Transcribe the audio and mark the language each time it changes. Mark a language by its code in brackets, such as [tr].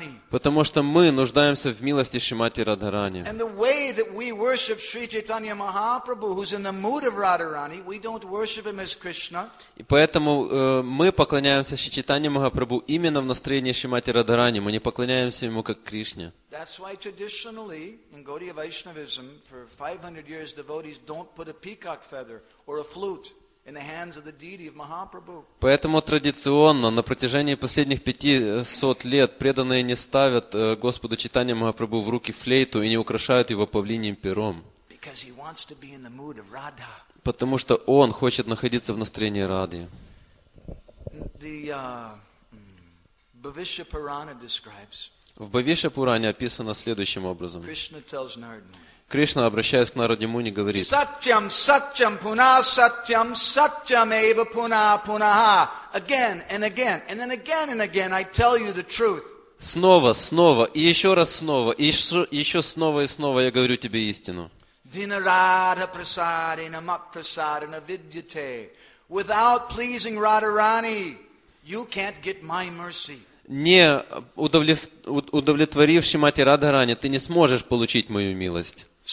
[ru] Потому что мы нуждаемся в милости Шримати Радхарани. И поэтому мы поклоняемся Шри Чайтанья Махапрабху именно в настроении Шримати Радхарани. Мы не поклоняемся Ему как Кришне. [en] That's why traditionally in Gaudiya Vaishnavism for 500 years devotees don't put a peacock feather or a flute in the hands of the deity of Mahaprabhu. [ru] Поэтому традиционно на протяжении последних 500 лет преданные не ставят Господу Чайтанья Махапрабху в руки флейту и не украшают его павлиньим пером. [en] Because he wants to be in the mood of Radha. [ru] Потому что он хочет находиться в настроении Радхи. [en] The Bhavishya Purana describes. [ru] В Бхавиша Пуране описано следующим образом. Кришна, обращаясь к Нараде Муни, говорит: [sa] «Сатьям, сатьям, пуна, сатьям, сатьям, эйва пуна, пунаха». [en] Again and again, and then again and again, I tell you the truth. [ru] Снова, снова, и еще раз снова, и еще снова и снова я говорю тебе истину. [sa] Винарадха прасадина матрасадина видьяте. [en] Without pleasing Радхарани, you can't get my mercy. [ru] Не удовлетворив Шримати Радхарани, ты не сможешь получить мою милость.